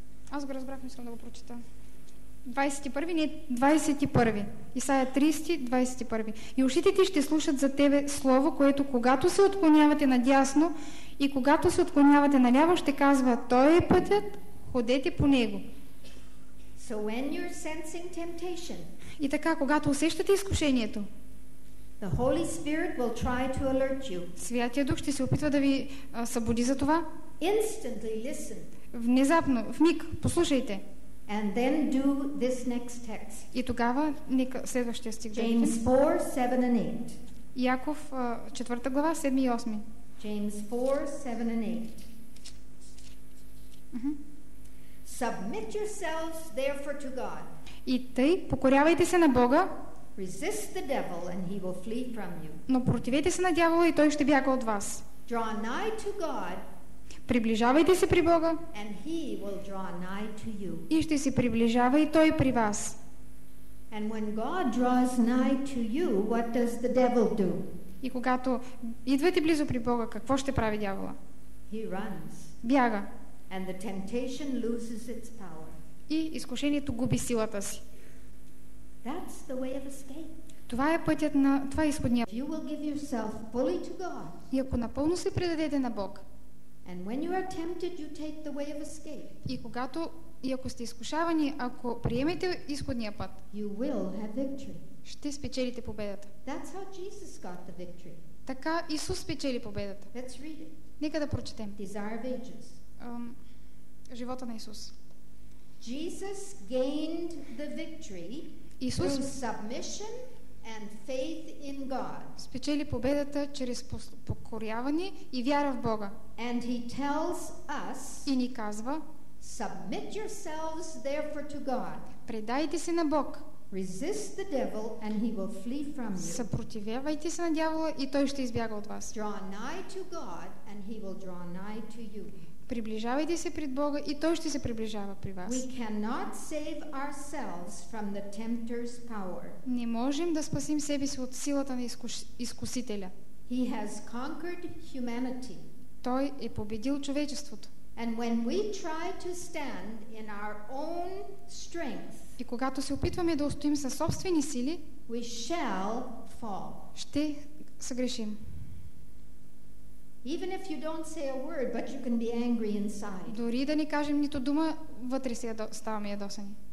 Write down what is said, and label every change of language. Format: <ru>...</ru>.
<bg>Аз го разбрах, не искам да го прочита. 21-ви, не, 21-ви. Исаия 30, 21-ви. И ушите ти ще слушат за тебе слово, което когато се отклонявате надясно и когато се отклонявате наляво, ще казва, той е пътят, ходете по него.</bg> <en>So when you're sensing temptation,</en> <bg>и така, когато усещате изкушението,</bg> <en>The Holy Spirit will try to alert you.</en> <bg>Святия Дух ще се опитва да ви събуди за това.</bg> <en>Instantly listen.</en> <bg>Внезапно, в миг, послушайте.</bg> <en>And then do this next text.</en> <bg>И тогава нека следващия стих.</bg> <en>James 4, 7 and 8.</en> <bg>Яков, 4 глава, 7 и 8.</bg> <en>James 4, 7 and 8. Submit yourselves therefore to God.</en> <bg>И тъй, покорявайте се на Бога.</bg> <en>Resist the devil and he will flee from you.</en> <bg>Но противете се на дявола и той ще бяга от вас.</bg> <en>Draw nigh to God.</en> <bg>Приближавайте се при Бога.</bg> <en>And he will draw nigh to you.</en> <bg>И ще се приближава и той при вас.</bg> <en>And when God draws nigh to you, what does the devil do?</en> <bg>И когато идвате близо при Бога, какво ще прави дявола?</bg> <en>He runs.</en> <bg>Бяга.</bg> <en>And the temptation loses its power.</en> <bg>И изкушението губи силата си.</bg> <en>That's the way of escape.</en> <bg>Това е пътят на това е изходния.</bg> <en>You will give yourself fully to God.</en> <bg>И ако напълно се предадете на Бог.</bg> <en>And when you are tempted, you take the way of escape.</en> <bg>И когато и ако сте изкушавани, ако приемете изходния път.</bg> <en>You will have victory.</en> <bg>Ще спечелите победата.</bg> <en>That's how Jesus got the victory.</en> <bg>Така Исус спечели победата.</bg> <en>Let's read it.</en> <bg>Нека да прочетем.</bg> <en>Desire of ages.</en> <bg>Живота на Исус.</bg> <en>Jesus gained the victory.</en> <bg>Исус</bg> <en>submission and faith in God.</en> <bg>Спечели победата чрез покоряване и вяра в Бога.</bg> <en>And he tells us,</en> <bg>и ни казва,</bg> <en>submit yourselves therefore to God.</en> <bg>Предайте се на Бог.</bg> <en>Resist the devil and he will flee from you.</en> <bg>Съпротивявайте се на дявола и той ще избяга от вас.</bg> <en>Draw nigh to God and he will draw nigh to you.</en> <bg>Приближавайте се пред Бога и Той ще се приближава при вас.</bg> <en>We cannot save ourselves from the tempter's power.</en> <bg>Не можем да спасим себе си от силата на изкусителя.</bg> <en>He has conquered humanity.</en> <bg>Той е победил човечеството.</bg> <en>And when we try to stand in our own strength,</en> <bg>и когато се опитваме да устоим със собствени сили,</bg> <en>we shall fall.</en> <bg>Ще съгрешим.</bg> <en>Even if you don't say a word, but you can be angry inside.</en> <bg>Дори да не кажем нито дума, вътре си ставаме ядосани.</bg>